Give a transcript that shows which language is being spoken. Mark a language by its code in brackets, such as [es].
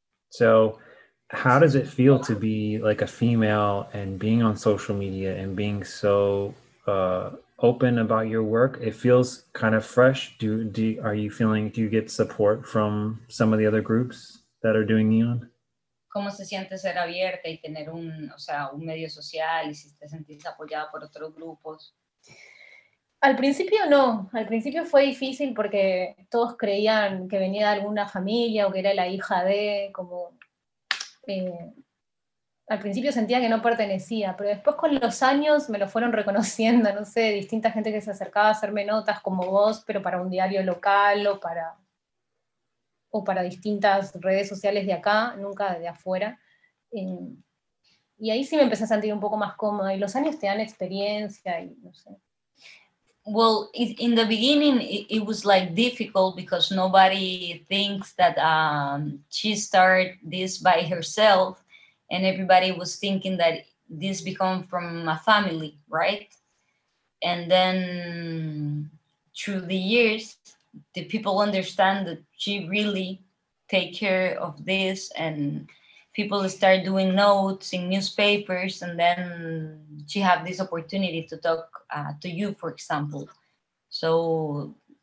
[en] So how does it feel to be, like, a female and being on social media and being so... open about your work? It feels kind of fresh. Do you get support from some of the other groups that are doing neon? [es] ¿Cómo se siente ser abierta y tener un medio social y si te sentís apoyada por otros grupos? Al principio no. Al principio fue difícil porque todos creían que venía de alguna familia o que era la hija de, como... Al principio sentía que no pertenecía, pero después con los años me lo fueron reconociendo, no sé, distinta gente que se acercaba a hacerme notas como vos, pero para un diario local o para distintas redes sociales de acá, nunca de afuera. Y ahí sí me empecé a sentir un poco más cómoda, y los años te dan experiencia, y no sé. [en] Well, in the beginning it was like difficult because nobody thinks that she started this by herself. And everybody was thinking that this become from a family, right? And then through the years, the people understand that she really take care of this, and people start doing notes in newspapers, and then she have this opportunity to talk to you, for example. So